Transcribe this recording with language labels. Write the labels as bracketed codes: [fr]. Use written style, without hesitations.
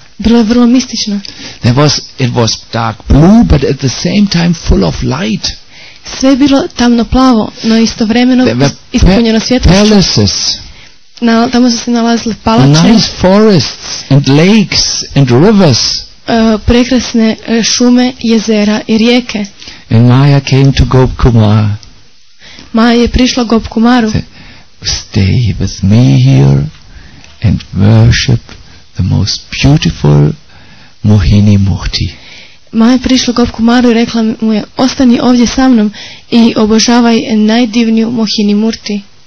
[hr] Bilo je vrlo mistično. [en] It was dark blue, but at the same time full of light. [hr] Sve je bilo tamno plavo, no istovremeno ispunjeno svjetlošću. Tamo su se nalazile palače. [en] Nice forests and lakes and rivers. [hr] Prekrasne šume, jezera i rijeke. [en] And Maya came to Gop Kumar. [hr] Maya je prišla Gop Kumaru. [en] Stay with me here and worship the most beautiful Mohini Murti. [hr] Maya je prišla Gop Kumaru i rekla mu je: ostani ovdje sa mnom i obožavaj najdivniju Mohini Murti.